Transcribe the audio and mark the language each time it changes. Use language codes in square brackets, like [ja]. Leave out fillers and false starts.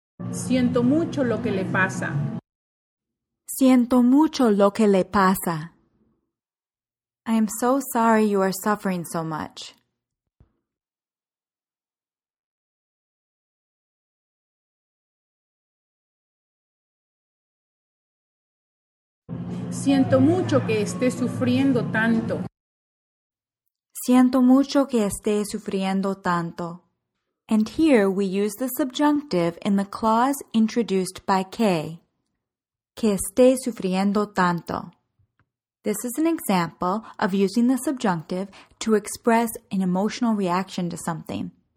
[es] Siento mucho lo que le pasa. Siento mucho lo que le pasa. [en] I am so sorry you are suffering so much. [es] Siento mucho que esté sufriendo tanto. Siento mucho que esté sufriendo tanto. [en] And here we use the subjunctive in the clause introduced by que. [es] Que esté sufriendo tanto. [en] This is an example of using the subjunctive to express an emotional reaction to something.